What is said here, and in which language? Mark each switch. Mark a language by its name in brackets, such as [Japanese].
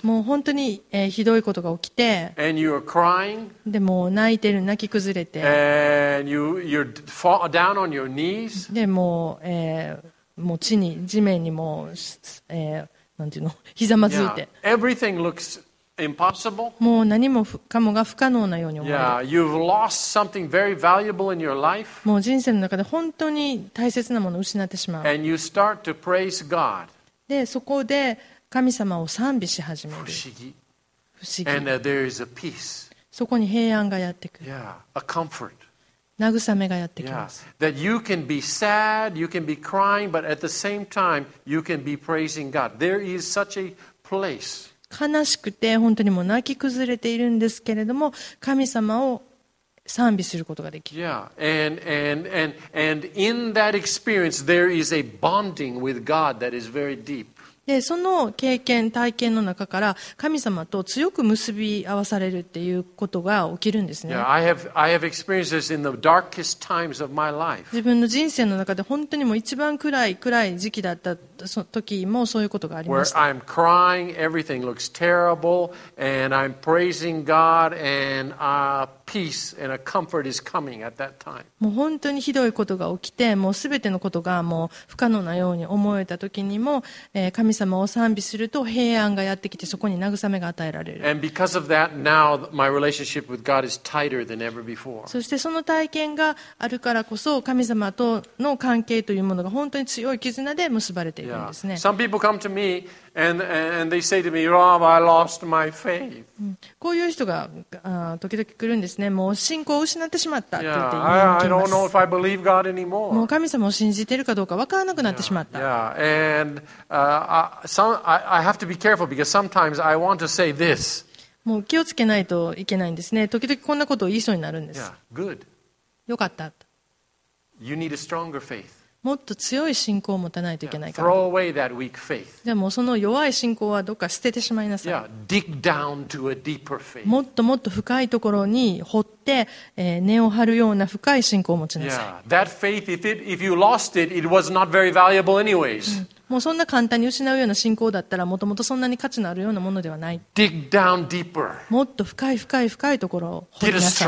[Japanese] もう本当に、ひどいことが起きて、 [English] and you are crying, [Japanese] でも泣いてる、泣き崩れて、 [English] and you're fall down on your knees, [Japanese] でも、もう地に地面にもう、なんていうの、ひざまずいて、 [English] yeah, everything looks impossible. [Japanese] もう何もかもが不可能なように思える。 [English] Yeah, you've lost something very valuable in your life. [Japanese] もう人生の中で本当に大切なものを失ってしまう。 [English] And you start to praise God. [Japanese] でそこで神様を賛美し始める。不思議。 [English] And there is a peace. [Japanese] そこに平安がやってくる。 [English] Yeah, a comfort. [Japanese] 慰めがやってきます。 [English] Yeah, that you can be sad, you can be crying, but at the same time you can be praising God. There is such a place. [Japanese] 悲しくて本当にもう泣き崩れているんですけれども、神様を賛美することができる。 [English] Yeah. And in that experience, there is a bonding with God that is very deep. [Japanese] で、その経験、体験の中から神様と強く結び合わされるっていうことが起きるんですね。 [English] Yeah. I have experienced this in the darkest times of my life. [Japanese] 自分の人生の中で本当にもう一番暗い時期だった。その時もそういうことがありました。 [English] Where I'm crying, everything looks terrible, and I'm praising God, and a peace and a comfort is coming at that time. [Japanese] もう本当にひどいことが起きて、もうすべてのことがもう不可能なように思えた時にも、神様を賛美すると平安がやってきて、そこに慰めが与えられる。 [English] And because of that, now my relationship with God is tighter than ever before. [Japanese] そしてその体験があるからこそ、神様との関係というものが本当に強い絆で結ばれて。 [English] Yeah. Some people come to me and they say to me, "Rob, I lost my faith." [Japanese] こういう人が時々来るんですね。もう信仰を失ってしまったって言って言います。 [English] Yeah, I don't know if I believe God anymore. [Japanese] もう神様を信じているかどうか分からなくなってしまった。 [English] Yeah, and I have to be careful because sometimes I want to say this. [Japanese] もう気をつけないといけないんですね。時々こんなことを言いそうになるんです。 [English] Yeah, good. [Japanese] よかった。 [English] You need a stronger faith. [Japanese] もっと強い信仰を持たないといけないから。 [English] Yeah, throw away that weak faith. [Japanese] じゃあもうその弱い信仰はどっか捨ててしまいなさい。 [English] Yeah, dig down to a deeper faith. [Japanese] もっともっと深いところに掘って、根を張るような深い信仰を持ちなさい。 [English] Yeah, that faith, if you lost it, it was not very valuable anyways. [Japanese] もうそんな簡単に失うような信仰だったら、もともとそんなに価値のあるようなものではない。 [English] Dig down deeper. [Japanese] もっと深い深い深いところを掘りなさい。